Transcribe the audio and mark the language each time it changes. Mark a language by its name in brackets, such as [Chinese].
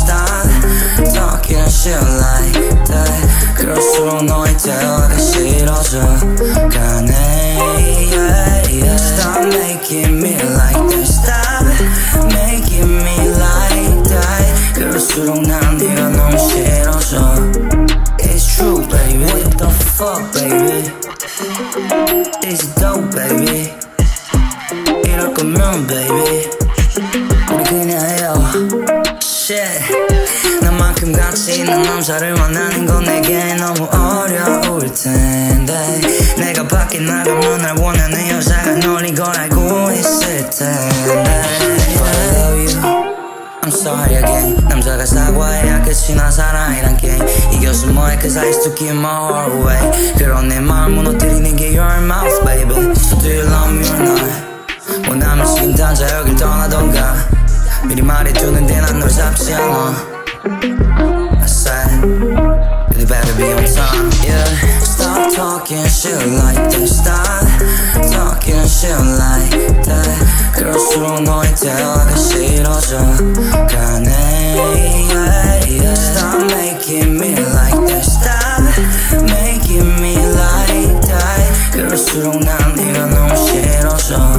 [English] Stop talking shit like that. [Korean] 그럴수록 너의 대화가 싫어져 가네. [English] Yeah, yeah. Stop making me like this. Stop making me like that. [Korean] 그럴수록 난 네가 너무 싫어져. [English] It's true, baby. What the fuck, baby? This is dope, baby. [Korean] 이럴 거면, baby. 우리 그냥 해요. [English] Shit. [Korean] 너만큼 가치 있는 남자를 만나는 건 내게 너무 어려울 텐데. 내가 밖에 나가면 날 원하는 여자가 널 이걸 알고 있을 텐데. [English] I'm sorry again. [Korean] 남자가 사과해야 끝이 나. 사랑이란 게임 이겨서 뭐해. [English] Cause I used to keep my heart away. [Korean] 그런 내 마음 무너뜨리는 게 [English] your mouth baby. So do you love me or not? [Korean] 원하면 지금 당장 여길 떠나던가. 미리 말해두는데 난 널 잡지 않아. [English] I said you better be on time. Yeah. Stop talking shit like this. Stop talking shit like that. [Korean] 그럴수록 너의 대화가 싫어져 가네. [English] Yeah, yeah. Stop making me like this. Stop making me like that. [Korean] 그럴수록 난 네가 너무 싫어져.